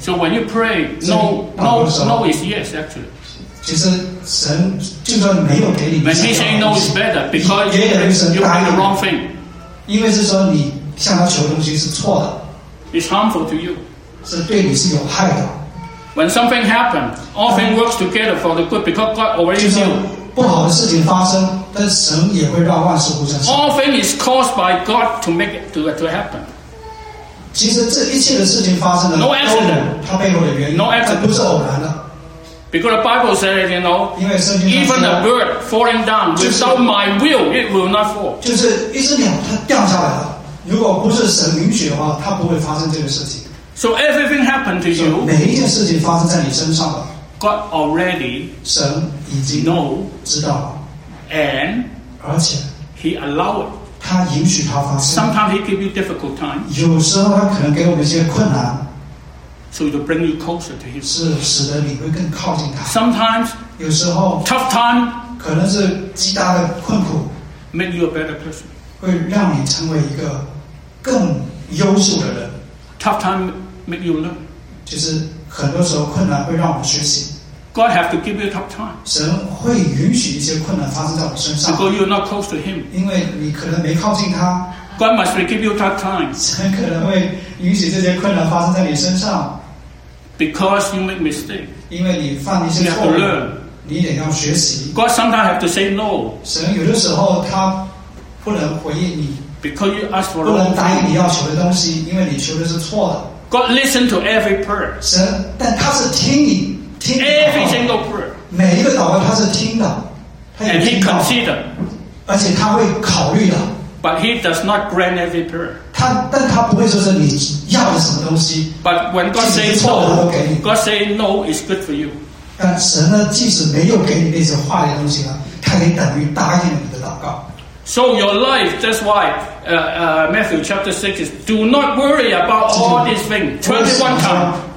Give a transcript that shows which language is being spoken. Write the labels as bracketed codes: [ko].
[en] So when you pray, no is yes actually. [zh] 其实神就算没有给你， [en] when he say no is better because you pray the wrong thing. [zh] 因为是说你向他求东西是错的。 [en] It's harmful to you. [zh] 是对你是有害的。 [en] When something happens, all things work together for the good because God already knew. [zh] 不好的事情发生，但神也会让万事互相。 [en] All things is caused by God to make it to happen. [zh] 其实这一切的事情发生了， [en] no accident, [zh] 它背后的原因 [en] no accident, [zh] 不是偶然的。 [en] Because the Bible says, you know, even a bird falling down without my will, it will not fall. [zh] 就是一只鸟它掉下来了，如果不是神允许的话，它不会发生这个事情。 [en] So everything happened to you. [zh] 每一件事情发生在你身上了。 [en] God already [zh] 神已经 [en] know [zh] 知道 [en] and [zh] 而且 [en] He allowed it. [zh] 他允许它发生。 [en] Sometimes He give you difficult time. [zh] 有时候他可能给我们一些困难。 [en] So to bring you closer to Him. [zh] 是使得你会更靠近他。 [en] Sometimes [zh] 有时候 [en] tough time [zh] 可能是极大的困苦 [en] make you a better person. [zh] 会让你成为一个更优秀的人。 [en] Tough time make you learn. [zh] 就是很多时候困难会让我们学习。 [en] God have to give you tough time. [zh] 神会允许一些困难发生在我身上。 [en] Because you're not close to Him. [zh] 因为你可能没靠近他。 [en] God must give you tough time. [zh] 神可能会允许这些困难发生在你身上。 [en] Because you make mistakes. [zh] 因为你犯一些错误。 [en] You have to learn. [zh] 你得要学习。 [en] God sometimes have to say no. [zh] 神有的时候他不能回应你。 [en] Because you ask for [zh] 不能答应你要求的东西，因为你求的是错的。 [en] God listen to every prayer. [zh] 神，但他是听 [en] every single prayer. [zh] 每一个祷告他是听的，他也听到。 [en] And he consider. [zh] 而且他会考虑的。 [en] But he does not grant every prayer. [zh] 他，但他不会说是你要的什么东西。 [en] But when God says no, God say no is good for you. [zh] 但神呢，即使没有给你那些坏的东西呢，他也等于答应了你的祷告。 [en] So your life, that's why Matthew chapter 6 is do not worry about all these things 21 times